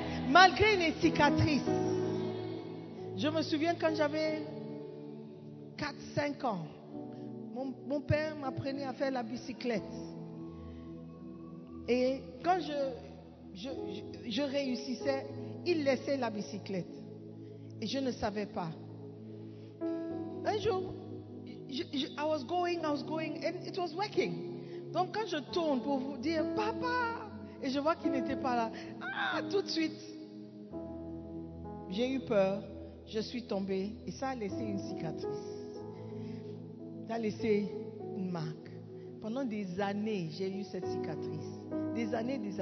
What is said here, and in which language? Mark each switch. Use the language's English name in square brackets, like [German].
[French] Malgré les cicatrices. Je me souviens quand j'avais 4-5 ans, mon père m'apprenait à faire la bicyclette. Et quand je réussissais, il laissait la bicyclette. Et je ne savais pas. Un jour, [English] I was going, and it was working. [French] Donc quand je tourne pour vous dire, papa, et je vois qu'il n'était pas là, tout de suite, j'ai eu peur, je suis tombée, et ça a laissé une cicatrice. Ça a laissé une marque. Pendant des années, j'ai eu cette cicatrice. Des années.